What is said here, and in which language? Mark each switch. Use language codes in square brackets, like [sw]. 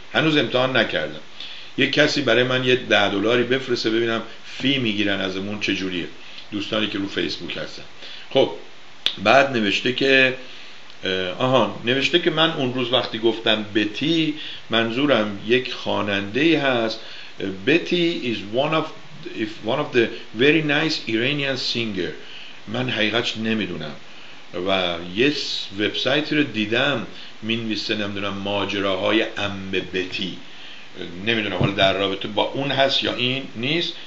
[fa] هنوز امتحان نکردم، یک کسی برای من یه $10 بفرسته ببینم فی میگیرن ازمون چجوریه، دوستانی که رو فیسبوک هستن. خب بعد نوشته که نوشته که من اون روز وقتی گفتم بتی، منظورم یک خواننده هست. [en] Betty is one of the very nice Iranian singer. [fa] من حقیقتش نمیدونم و یه وبسایت رو دیدم مینویسه نمیدونم ماجراهای ام بتی، نمیدونم حالا در رابطه با اون هست یا این نیست.